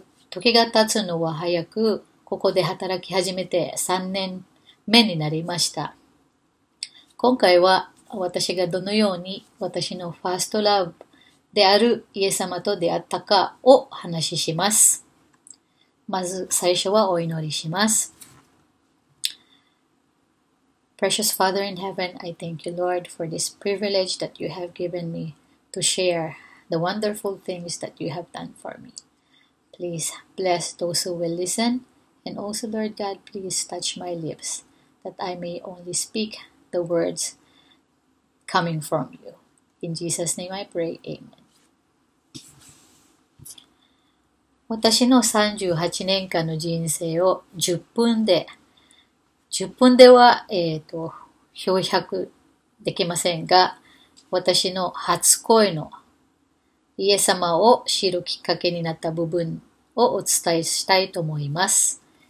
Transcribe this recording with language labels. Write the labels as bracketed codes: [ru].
[ja] 時が経つのは早く、ここで働き始めて3年目になりました。今回は私がどのように私のファーストラブであるイエス様と出会ったかを話します。まず最初はお祈りします。 [en] Precious Father in heaven, I thank you, Lord, for this privilege that you have given me to share the wonderful things that you have done for me. Please bless those who will listen, and also, Lord God, please touch my lips that I may only speak the words coming from you. In Jesus' name I pray, Amen. [ja] 私の38年間の人生を10分では漂白できませんが、私の初恋のイエス様を知るきっかけになった部分をお伝えしたいと思います。